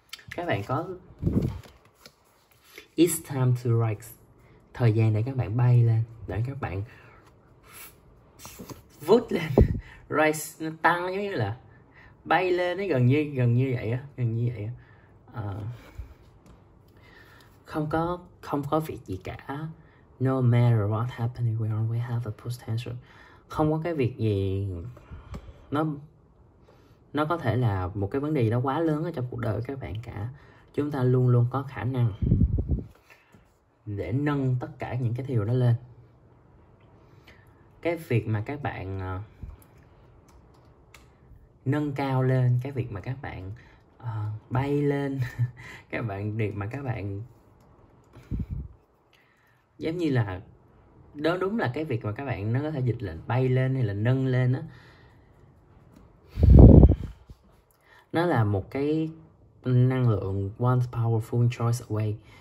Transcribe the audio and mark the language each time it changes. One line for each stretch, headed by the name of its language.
Vietnamese: Các bạn có
English: It's time to rise.
Vietnamese: Thời gian để các bạn bay lên, để các bạn vút lên. Rise nó tăng giống như là bay lên, nó gần như vậy á, gần như vậy á. Không có việc gì cả.
English: No matter what happened, we always have a potential.
Vietnamese: Không có cái việc gì nó có thể là một cái vấn đề gì đó quá lớn ở trong cuộc đời của các bạn cả. Chúng ta luôn luôn có khả năng để nâng tất cả những cái điều đó lên. Cái việc mà các bạn nâng cao lên, cái việc mà các bạn bay lên, các bạn việc mà các bạn giống như là đó, đúng là cái việc mà các bạn nó có thể dịch lên bay lên hay là nâng lên đó, nó là một cái năng lượng
English: one powerful choice away.